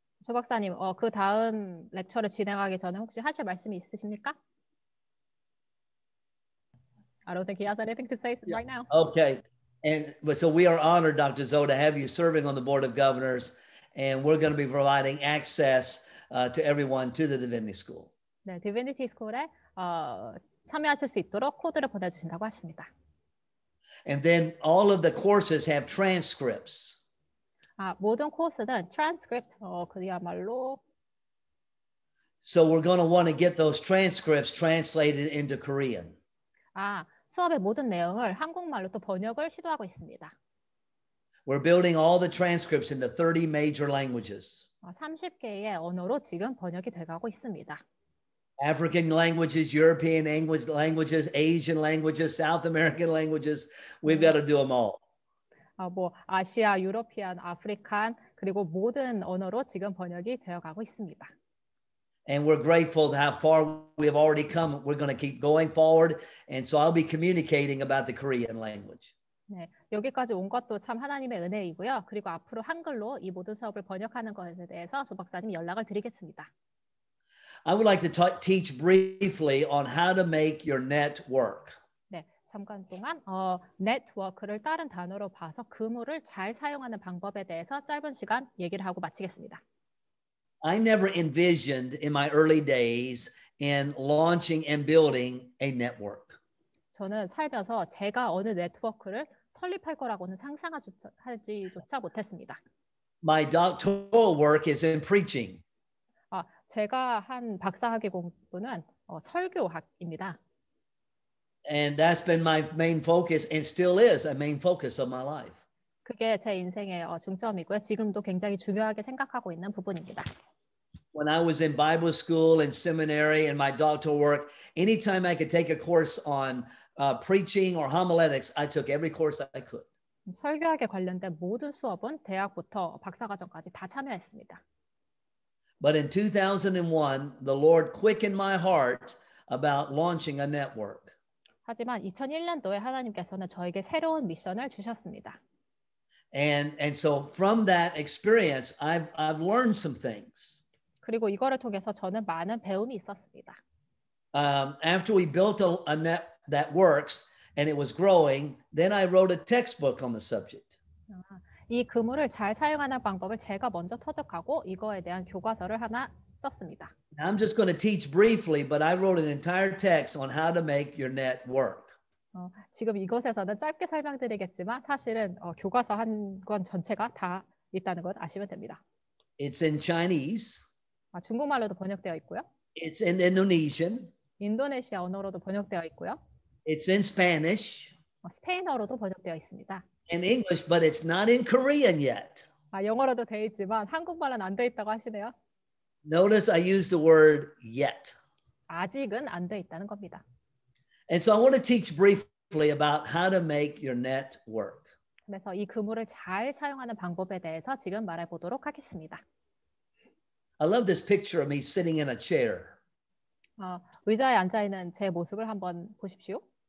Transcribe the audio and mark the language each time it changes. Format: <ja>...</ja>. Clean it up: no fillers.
<ko>조 박사님, 그 다음 렉처를 진행하기 전에 혹시 하실 말씀이 있으십니까?</ko> <en>I don't think he has anything to say right now. Okay. And so we are honored, Dr. Zoe, to have you serving on the Board of Governors, and we're going to be providing access to everyone to the Divinity School.</en> <ko>네, Divinity School에 참여하실 수 있도록 코드를 보내주신다고 하십니다.</ko> <en>And then all of the courses have transcripts.</en> <ko>아, 모든 코스는 transcript, 그야말로.</ko> <en>So we're going to want to get those transcripts translated into Korean.</en> <ko>아, 수업의 모든 내용을 한국말로 또 번역을 시도하고 있습니다.</ko> <en>We're building all the transcripts in the 30 major languages.</en> <ko>아, 30개의 언어로 지금 번역이 돼가고 있습니다.</ko> <en>African languages, European languages, Asian languages, South American languages, we've got to do them all.</en> <ko>뭐 아시아, 유러피안, 아프리칸 그리고 모든 언어로 지금 번역이 되어가고 있습니다.</ko> <en>And we're grateful to how far we have already come. We're going to keep going forward. And so I'll be communicating about the Korean language.</en> <ko>네, 여기까지 온 것도 참 하나님의 은혜이고요. 그리고 앞으로 한글로 이 모든 사업을 번역하는 것에 대해서 조 박사님 연락을 드리겠습니다.</ko> <en>I would like to teach briefly on how to make your net work.</en> <ko>잠깐 동안 네트워크를 다른 단어로 봐서 그물을 잘 사용하는 방법에 대해서 짧은 시간 얘기를 하고 마치겠습니다.</ko> <en>I never envisioned in my early days in launching and building a network.</en> <ko>저는 살면서 제가 어느 네트워크를 설립할 거라고는 상상하지조차 못했습니다.</ko> <en>My doctoral work is in preaching.</en> <ko>아, 제가 한 박사학위 공부는 설교학입니다.</ko> <en>And that's been my main focus and still is a main focus of my life.</en> <ko>그게 제 인생의 중점이고요. 지금도 굉장히 중요하게 생각하고 있는 부분입니다.</ko> <en>When I was in Bible school and seminary and my doctoral work, anytime I could take a course on preaching or homiletics, I took every course I could.</en> <ko>설교학에 관련된 모든 수업은 대학부터 박사 과정까지 다 참여했습니다.</ko> <en>But in 2001, the Lord quickened my heart about launching a network.</en> <ko>하지만 2001년도에 하나님께서는 저에게 새로운 미션을 주셨습니다.</ko> <en>And so from that experience, I've learned some things.</en> <ko>그리고 이거를 통해서 저는 많은 배움이 있었습니다.</ko> <en>After we built a net that works and it was growing, then I wrote a textbook on the subject.</en> <ko>이 그물을 잘 사용하는 방법을 제가 먼저 터득하고 이거에 대한 교과서를 하나 썼습니다.</ko> <en>I'm just going to teach briefly, but I wrote an entire text on how to make your net work.</en> <ko>지금 이곳에서는 짧게 설명드리겠지만 사실은 교과서 한 권 전체가 다 있다는 것 아시면 됩니다.</ko> <en>It's in Chinese.</en> <ko>중국말로도 번역되어 있고요.</ko> <en>It's in Indonesian.</en> <ko>인도네시아 언어로도 번역되어 있고요.</ko> <en>It's in Spanish.</en> <ko>스페인어로도 번역되어 있습니다.</ko> <en>In English, but it's not in Korean yet.</en> <ko>영어로도 되어 있지만 한국말은 안 되어 있다고 하시네요.</ko> <en>Notice I use the word yet.</en> <ko>아직은 안 되어 있다는 겁니다.</ko> <en>And so I want to teach briefly about how to make your net work.</en> <ko>그래서 이 그물을 잘 사용하는 방법에 대해서 지금 말해보도록 하겠습니다.</ko> <en>I love this picture of me sitting in a chair.</en> <ko>의자에 앉아 있는 제 모습을 한번 보십시오.</ko>